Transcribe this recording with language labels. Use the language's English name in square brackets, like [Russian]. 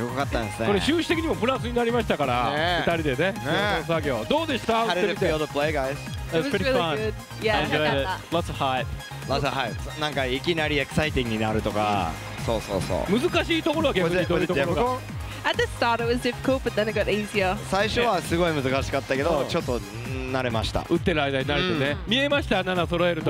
[Japanese] よかったですねこれ収支的にもプラスになりましたから二人でね共同作業どうでした [English] How did it feel to play guys? It was pretty fun Yeah, I enjoyed it Lots of hype Lots of hype [Japanese] なんかいきなりエキサイティングになるとかそうそうそう難しいところは逆にどういうところが [English] At the start it was difficult but then it got easier [Japanese] 最初はすごい難しかったけどちょっと慣れました打ってる間に慣れてね見えました7揃えると